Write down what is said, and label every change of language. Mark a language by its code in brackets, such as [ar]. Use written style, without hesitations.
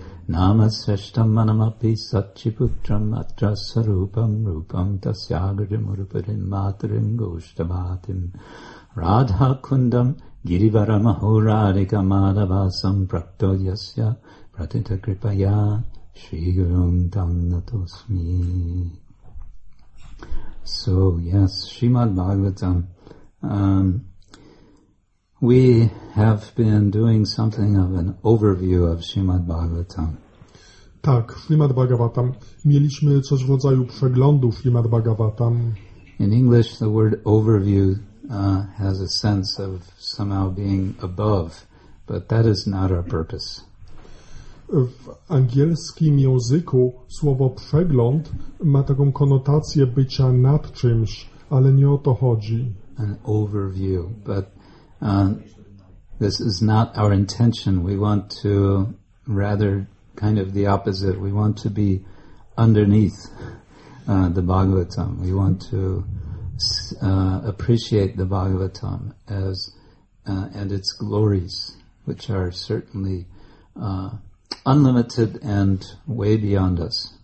[sa] Namasrashtam Manamapi Satchiputram Atrasarupam Rupam Tasyagrim Urupadim Matarim Goshtabhatim Radha Kundam Girivara Mahuradika Madhavasam Prakto Yasya Pratita Kripaya Shri Gurum Tamnatosmi. [en] So, yes, Srimad Bhagavatam. We have been doing something of an overview of Srimad Bhagavatam. [pl] Tak, Srimad Bhagavatam. Mieliśmy coś w rodzaju przeglądu Srimad Bhagavatam. [en] In English, the word overview has a sense of somehow being above, but that is not our purpose. [pl] W angielskim języku słowo przegląd ma taką konotację bycia nad czymś, ale nie o to chodzi. [en] An overview, but this is not our intention. We want to rather kind of the opposite. We want to be underneath the Bhagavatam. We want to appreciate the Bhagavatam as and its glories, which are certainly unlimited and way beyond us.